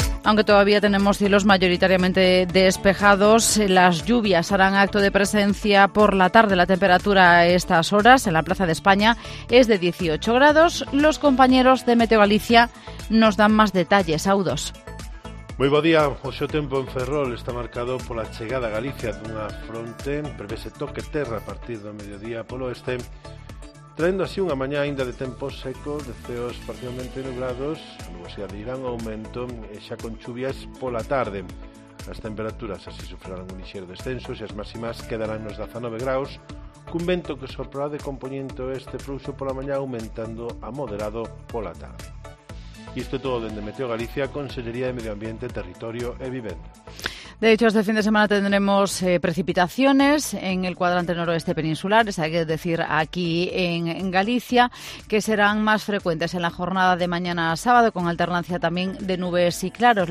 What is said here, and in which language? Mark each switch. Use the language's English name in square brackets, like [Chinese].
[Spanish] aunque todavía tenemos cielos mayoritariamente despejados. Las lluvias harán acto de presencia por la tarde. La temperatura a estas horas en la Plaza de España es de 18 grados. Los compañeros de Meteo Galicia nos dan más detalles. [Galician] Saudos. Moi bo día, hoxe o tempo en Ferrol está marcado pola chegada a Galicia dunha fronte, prevese toque terra a partir do mediodía polo oeste, traendo así unha mañá aínda de tempo seco, de ceos parcialmente nublados, a nubosidade irá en aumento e xa con chuvias pola tarde. As temperaturas así sufrirán un lixeiro descenso e as máximas quedarán nos 19 graus, cun vento que soprará de compoñente oeste frouxo pola mañá aumentando a moderado pola tarde. Isto é todo dende Meteo Galicia, Consellería de Medio Ambiente, Territorio e Vivenda. [Spanish] De hecho, este fin de semana tendremos precipitaciones en el cuadrante noroeste peninsular, es decir, aquí en Galicia, que serán más frecuentes en la jornada de mañana a sábado, con alternancia también de nubes y claros.